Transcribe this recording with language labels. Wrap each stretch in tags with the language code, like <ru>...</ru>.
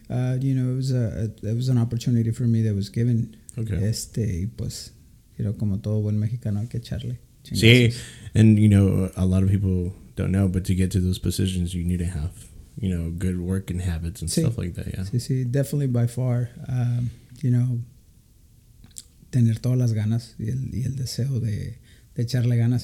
<en>You know, it was an opportunity for me that was given. Okay.</en> <es>Pues... Pero como todo buen mexicano, hay que echarle.</es> <en>See, and you know, a lot of people don't know, but to get to those positions, you need to have, you know, good working habits and stuff like that, yeah.</en> <es>Sí,</es> <en>definitely by far, you know,</en> <es>tener todas las ganas y el deseo de echarle ganas.</es>